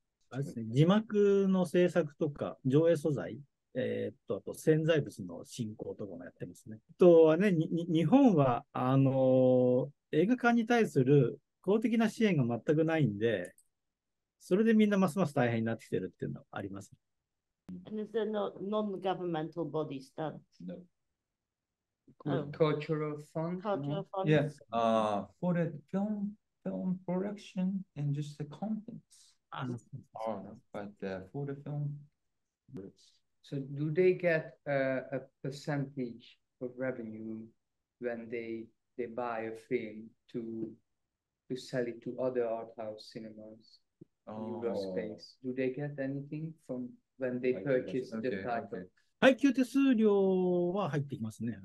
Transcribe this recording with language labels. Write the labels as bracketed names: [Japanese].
[Japanese] あれですね、字幕の制作とか、上映素材、あと潜在物の進行とかもやってますね。あとはね、日本は、映画館に対する公的な支援が全くないんで、それでみんなますます大変になってきてるっていうのはあります。 [English] And is there no non-governmental bodies that? No. Cultural fund? Cultural fund? Yes. For the film production and just the contents. For the film, so do they get a percentage of revenue when they buy a film to sell it to other art house cinemas? Eurospace, do they get anything from when they purchase the title? [Japanese] 配給手数料は入ってきますね。